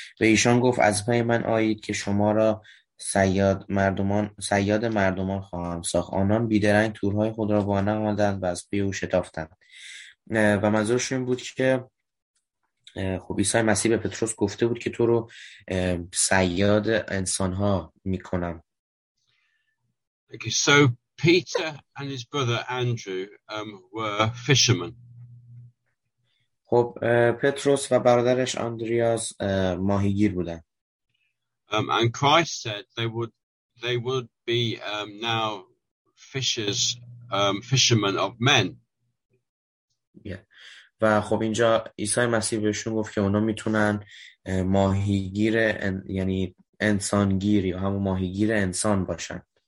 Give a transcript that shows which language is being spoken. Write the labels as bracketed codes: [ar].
[fa] به ایشان گفت از پای من آیید که شما را صیاد مردمان خواهم ساخت. آنان بیدرنگ تورهای خود را بانهادند و از پی او شتافتند. و منظورش این بود که خب عیسی مسیح به پتروس گفته بود که تو رو صیاد انسان‌ها می‌کنم. [en] Okay, so Peter and his brother Andrew were fishermen. [fa] خب پتروس و برادرش آندریاس ماهیگیر بودن. [en] And Christ said they would be now fishers, fishermen of men. Yeah. [fa] و خب اینجا عیسی مسیح بهشون گفت که اونا میتونن ماهیگیر یعنی انسانگیر یا همون ماهیگیر انسان باشن.